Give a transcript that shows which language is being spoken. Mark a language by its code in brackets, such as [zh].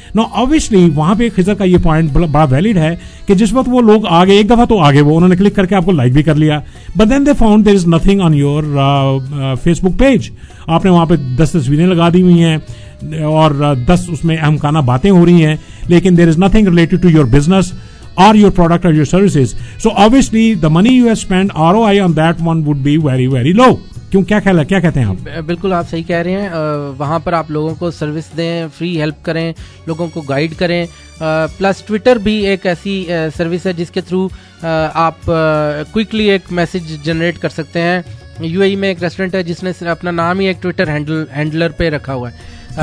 [en] no obviously [ur] وہاں پہ خضر کا یہ پوائنٹ بڑا ویلڈ ہے کہ جس وقت وہ لوگ آگے ایک دفعہ تو آگے وہ انہوں نے کلک کر کے آپ کو لائک بھی کر لیا, [en] But then they found there is nothing on your Facebook page. [ur] آپ نے وہاں پہ 10 تصویریں لگا دی ہوئی ہیں اور 10 اس میں احمقانہ باتیں ہو رہی ہیں, لیکن [en] There is nothing related to your business or your product or your services. So obviously the money you have spend R O I on that one would be very very low. [ur] کیوں, کیا خیال ہے, کیا کہتے ہیں آپ؟ بالکل آپ صحیح کہہ رہے ہیں. وہاں پر آپ لوگوں کو سروس دیں, فری ہیلپ کریں, لوگوں کو گائیڈ کریں. پلس ٹویٹر بھی ایک ایسی سروس ہے جس کے تھرو آپ کوئکلی ایک میسج جنریٹ کر سکتے ہیں. یو اے ای میں ایک ریسٹورنٹ ہے جس نے اپنا نام ہی ایک ٹویٹر ہینڈلر پہ رکھا ہوا ہے.